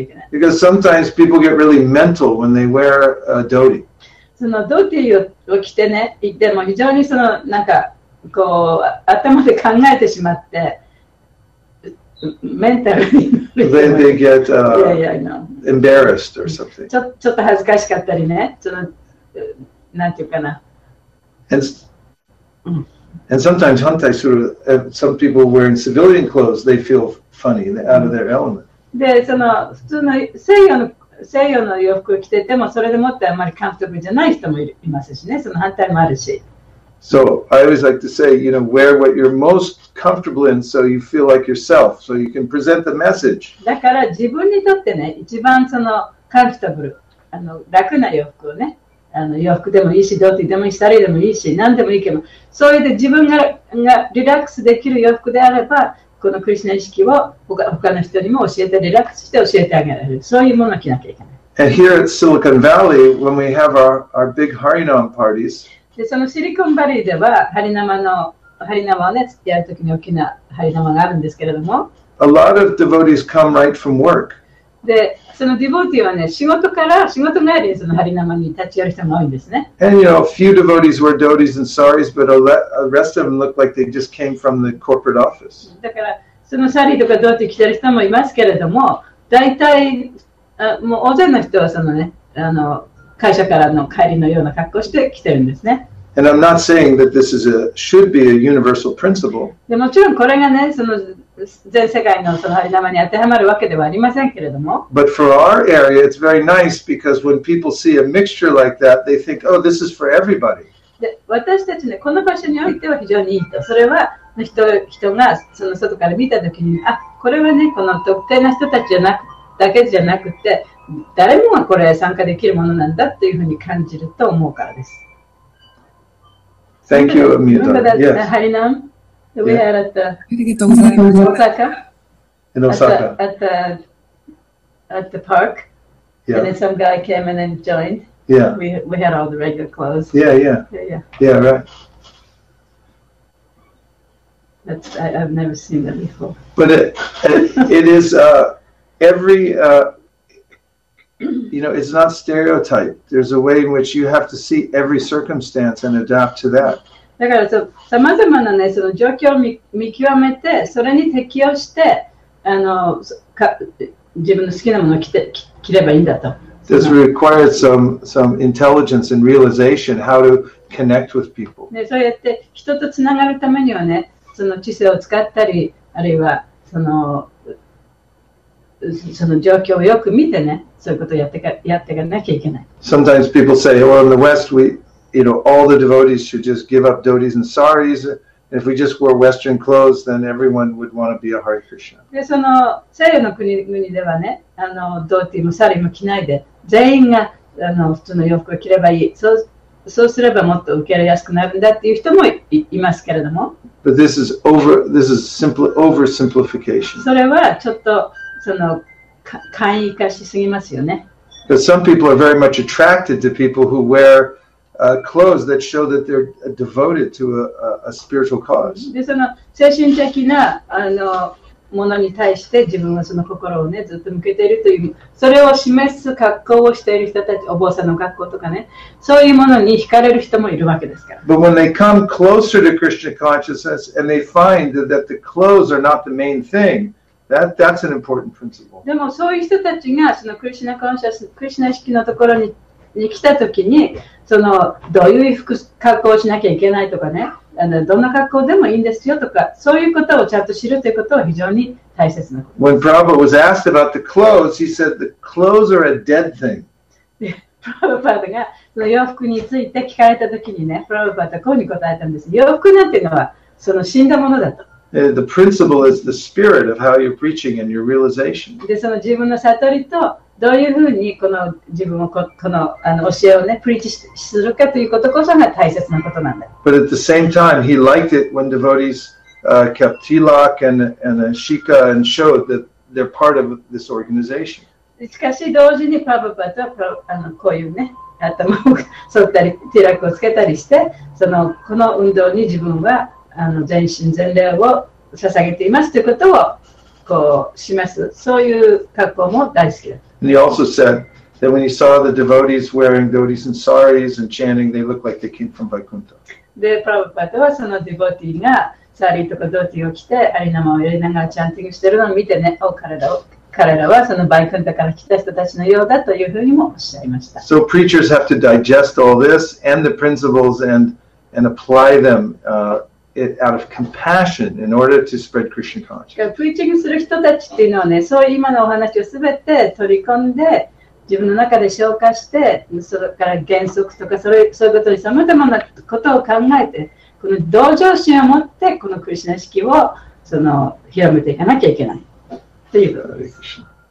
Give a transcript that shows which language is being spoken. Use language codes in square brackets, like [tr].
[en] Because sometimes people get really mental when they wear a dhoti. [ja] そのドーティーを着てね、でも非常にそのなんかこう頭で考えてしまってメンタルに [en] then they get embarrassed or something. [ja] ちょっと恥ずかしかったりね、そのなんていうかな。 [en] And sometimes hantai sort of some people wearing civilian clothes, they feel funny, out of their element. [ja] で、その普通の西洋の洋服を着ててもそれでもってあまりカンフォータブルじゃない人もいますしね、その反対もあるし。 [en] So I always like to say, you know, wear what you're most comfortable in, so you feel like yourself, so you can present the message. [ja] だから自分にとってね、一番そのカンフォータブル、楽な洋服をね、洋服でもいいし、ドーティーでもいいし、サリーでもいいし、何でもいいけど、そういう自分 がリラックスできる洋服であれば、このクリシナ意識を他の人にも教えて、リラックスして教えてあげられる、そういうものを着なきゃいけない。 [en] And here at Silicon Valley, when we have our big Harinam parties, [ja] でそのシリコンバリーでは、ハリナマをね、やるときに大きなハリナマがあるんですけれども、 [en] A lot of devotees come right from work. [ja] で、そのディボーティーはね、仕事帰りにそのハリナマに立ち寄る人が多いんですね。 [en] And you know, a few devotees wear dhotis and saris, but the rest of them look like they just came from the corporate office. [ja] だから、そのサリーとかドーティー着てる人もいますけれども、大体、もう大勢の人はそのね、会社からの帰りのような格好して来てるんですね。 [en] And I'm not saying that this is a, should be a universal principle. [ja] でもちろんこれがね、その全世界のそのハリナマに当てはまるわけではありませんけれども。 [en] But for our area, it's very nice because when people see a mixture like that, they think, oh, this is for everybody. [ja] で、私たちね、この場所においては非常にいいと。それは人がその外から見たときに、あ、これはね、この特定な人たちじゃなくだけじゃなくて、誰もがこれ参加できるものなんだというふうに感じると思うからです。 [en] Thank you, Amita. Yes. Harinam, we had at the Osaka. In Osaka. At the park. Yeah. And then some guy came in and joined. Yeah. We had all the regular clothes. Yeah. Right. I've never seen that before. But it is every. You know, it's not stereotype. There's a way in which you have to see every circumstance and adapt to that. [ja] だからさまざまなね、その状況を 見極めて、それに適応して、自分の好きなものを着ればいいんだと。 [en] This requires some intelligence and realization how to connect with people. [ja] ね、そうやって人とつながるためにはね、その知性を使ったり、あるいはその状況をよく見てね、そういうことをやっていかなきゃいけない。 [en] Sometimes people say, well, in the West, we, you know, all the devotees should just give up dhotis and saris. If we just wore Western clothes, then everyone would want to be a Hare Krishna. [ja] で、その西洋の国々ではね、ドーティーもサリーも着ないで、全員が普通の洋服を着ればいい。そうすればもっと受け入れやすくなるんだっていう人も いますけれども。 [en] But this is simply oversimplification. [ja] それはちょっと、その簡易化しすぎますよね。 [en] But some people are very much attracted to people who wear clothes that show that they're devoted to a spiritual cause. [ja] で、その精神的なものに対して自分はその心をねずっと向けているという、それを示す格好をしている人たち、お坊さんの格好とかね、そういうものに惹かれる人もいるわけですから。 [en] But when they come closer to Krishna consciousness and they find that the clothes are not the main thing, that's an important principle. [ja] でもそういう人たちがそのクリシナコンシャス、クリシナ意識のところに来た時に、そのどういう格好をしなきゃいけないとかね、どんな格好でもいいんですよとか、そういうことをちゃんと知るということは非常に大切なことです。 [en] When Prabhupada was asked about the clothes, he said the clothes are a dead thing. [ja] Prabhupada がその洋服について聞かれた時にね、Prabhupada はこうに答えたんです。洋服なんていうのはその死んだものだと。 [en] The principle is the spirit of how you're preaching and your realization. [ja] で、その自分の悟りとどういうふうにこの自分を この教えをね、プリーチするかということこそが大切なことなんだ。 [en] But at the same time, he liked it when devotees kept tilak and shika and showed that they're part of this organization. [ja] しかし同時にパブパとこういうね、頭を剃ったり、ティラックをつけたりして、そのこの運動に自分は全身全霊を捧げていますということをこう示す、そういう格好も大好きだ。 [en] And he also said that when he saw the devotees wearing dhotis and saris and chanting, they looked like they came from Vaikuntha. [ja] で、プラブパトはその devotee がサリとかドーティを着て、アリナマをやりながらチャンティングしてるのを見てね、お、彼らはそのバイクンタから来た人たちのようだというふうにもおっしゃいました。 [en] So preachers have to digest all this and the principles and apply them out of compassion in order to spread Krishna consciousness. [ja] プリーチングする人たちっていうのはね、そういう今のお話をすべて取り込んで自分の中で消化して、それから原則とかそういうことにさまざまなことを考えて、この同情心を持ってこのクリシナ意識をその広めていかなきゃいけないということです。